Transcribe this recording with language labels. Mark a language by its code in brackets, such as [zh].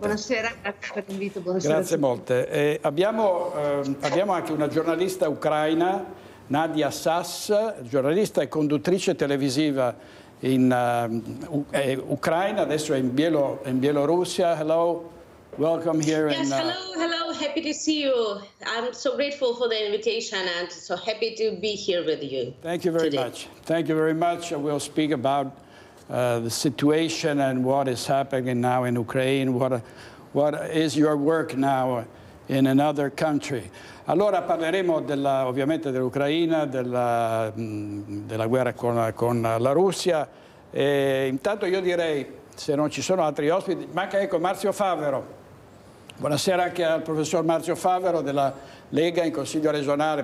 [it] Buonasera, grazie per l'invito. Buonasera. Grazie molte. E abbiamo anche una giornalista ucraina, Nadia Sass, giornalista e conduttrice televisiva in Ucraina, adesso è in Bielorussia. [en] Hello, welcome here. Yes, hello, happy to see you. I'm so grateful for the invitation and so happy to be here with you. Thank you very much. We'll speak about the situation and what is happening now in Ukraine. What is your work now in another country? [it] Allora parleremo ovviamente dell'Ucraina, della guerra con la Russia. E intanto io direi, se non ci sono altri ospiti, ecco Marzio Favero. Buonasera anche al professor Marzio Favero della Lega in Consiglio regionale.